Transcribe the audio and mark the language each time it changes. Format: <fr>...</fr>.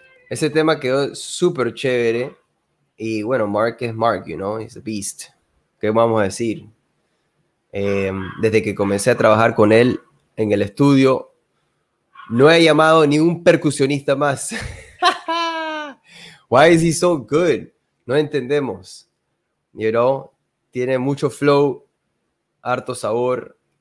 <es>Ese tema quedó súper chévere. Y bueno, Mark es Mark,</es> <en>you know, he's a beast.</en> <es>¿Qué vamos a decir? Desde que comencé a trabajar con él en el estudio, no he llamado ni un percusionista más.</es> <en>Why is he so good?</en> <es>No entendemos.</es> <en>You know,</en> <es>tiene mucho flow, harto sabor.</es>